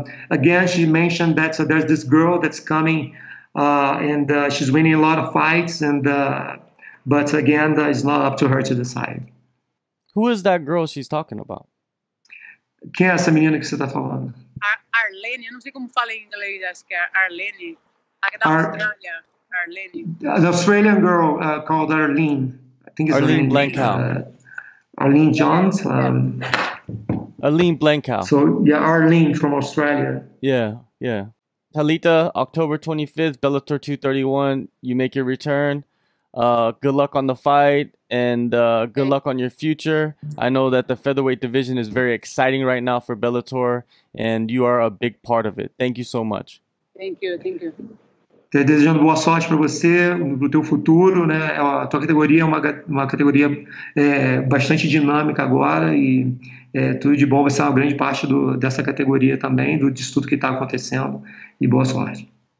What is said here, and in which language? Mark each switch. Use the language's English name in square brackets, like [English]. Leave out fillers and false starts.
[English] Again, she mentioned that there's this girl that's coming, and she's winning a lot of fights, and But again, that is not up to her to decide. Who is that girl she's talking about? [Portuguese] Quem é essa menina que você está falando? Arlene, eu não sei como fala em inglês, acho que é Arlene. [English] Arlene. The Australian girl called Arlene. I think it's Arlene Blankow. Arlene Jones. Arlene Blankow. So, yeah, Arlene from Australia. Yeah, yeah. Talita, October 25th, Bellator 231. You make your return. Good luck on the fight and good luck on your future. I know that the featherweight division is very exciting right now for Bellator and you are a big part of it. Thank you so much. Thank you. [Portuguese] Desejando boa sorte para você, para o teu futuro, né? A tua categoria é uma categoria bastante dinâmica agora e tudo de bom. Vai ser uma grande parte dessa categoria também, disso tudo que está acontecendo. E boa sorte.